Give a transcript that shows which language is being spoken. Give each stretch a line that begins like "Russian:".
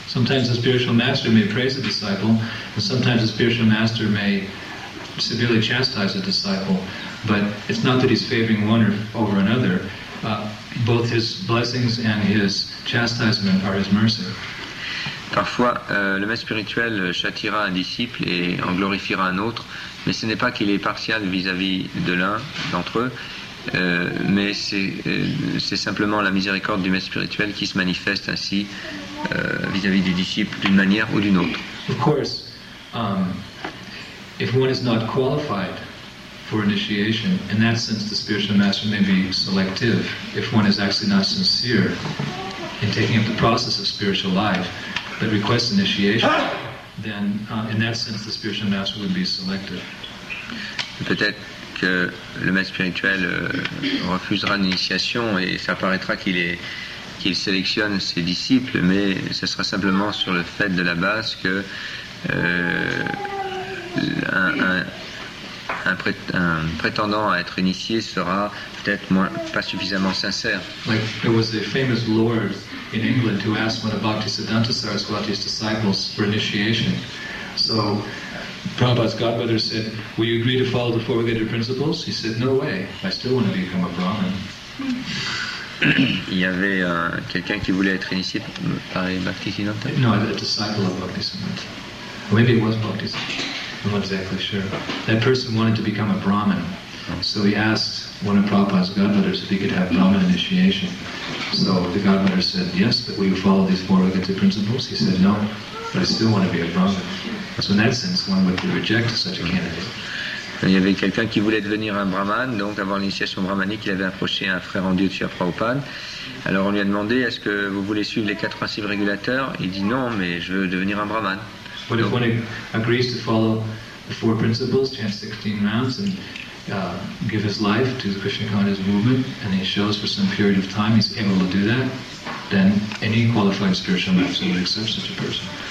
English: Sometimes the spiritual master may praise a disciple, and sometimes the spiritual master may severely chastise a disciple. But it's not that he's favoring one over another. Both his blessings and his chastisement are his mercy.
French: Parfois, le maître spirituel châtiera un disciple et en glorifiera un autre, mais ce n'est pas qu'il est partial vis-à-vis de l'un d'entre eux, mais c'est simplement la miséricorde du maître spirituel qui se manifeste ainsi vis-à-vis du disciple d'une manière ou d'une autre.
English: Of course, if one is not qualified for initiation, in that sense the spiritual master may be selective. If one is actually not sincere in taking up the process of spiritual life but requests initiation, then in that sense the spiritual master would be selective.
French: Peut-être que le maître spirituel refusera l'initiation et ça paraîtra qu'il sélectionne ses disciples, mais ce sera simplement sur le fait de la base que un prétendant à être initié sera peut-être moins, pas suffisamment sincère.
English: Like there was a famous lord in England who asked one of Bhaktisiddhanta Saraswati's disciples for initiation. So Prabhupada's godmother said, "Will you agree to follow the four related principles?" He said, "No way. I still want to become a Brahmin."
French: Il y avait quelqu'un qui voulait être initié par Bhaktisiddhanta.
English: No, a disciple of Bhaktisiddhanta. Maybe it was Bhaktisiddhanta. I'm not exactly sure. That person wanted to become a Brahmin. So he asked one of Prabhupada's godmothers if he could have Brahmin initiation. So the godmother said, "Yes, but will you follow these four regulative principles?" He said, "No, but I still want to be a Brahmin." So in that sense, one would reject such a candidate.
French: Il y avait quelqu'un qui voulait devenir un brahman, donc avoir l'initiation brahmanique, il avait approché un frère en Dieu de Sri Prabhupada. Alors on lui a demandé, est-ce que vous voulez suivre les quatre principes régulateurs? Il dit non, mais je veux devenir un brahman.
English: What if one agrees to follow the four principles, chant 16 rounds, and give his life to the Krishna consciousness movement, and he shows for some period of time he's able to do that, then any qualified spiritual master would accept such a person.